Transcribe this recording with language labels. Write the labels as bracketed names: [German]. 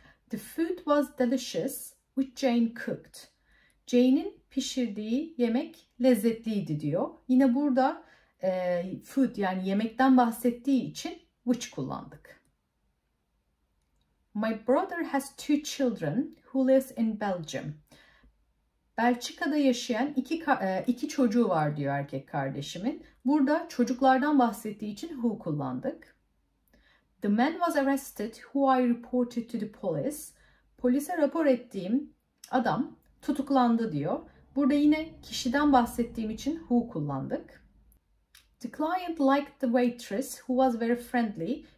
[English] The food was delicious which Jane cooked. [Turkish] Jane'in pişirdiği yemek lezzetliydi diyor. Yine burada food yani yemekten bahsettiği için which kullandık. [English] My brother has two children who lives in Belgium. [Turkish] Belçika'da yaşayan iki çocuğu var diyor erkek kardeşimin. Burada çocuklardan bahsettiği için who kullandık. [English] The man was arrested who I reported to the police. [Turkish] Polise rapor ettiğim adam tutuklandı diyor. Burada yine kişiden bahsettiğim için who kullandık. [English] The client liked the waitress who was very friendly.